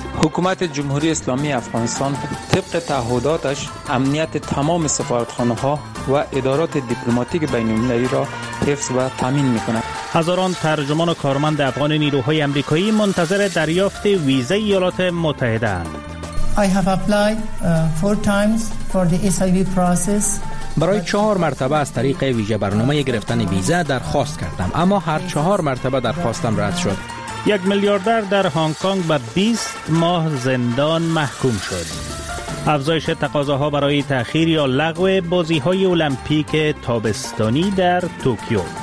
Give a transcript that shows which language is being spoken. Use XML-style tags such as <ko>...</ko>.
<fa>حکومت جمهوری اسلامی افغانستان طبق تعهداتش امنیت تمام سفارتخانه ها و ادارات دیپلماتیک بین المللی را حفظ و تامین میکند. هزاران ترجمان و کارمند افغان نیروهای امریکایی منتظر دریافت ویزه ایالات متحده اند.</fa> <en>I have applied 4 times for the SIV process.</en> <fa>برای 4 مرتبه از طریق ویژه برنامه گرفتن ویزه درخواست کردم، اما هر 4 مرتبه درخواستم رد شد. یک میلیاردر در هنگ کنگ به 20 ماه زندان محکوم شد. افزایش تقاضاها برای تأخیر یا لغو بازی‌های المپیک تابستانی در توکیو.</fa>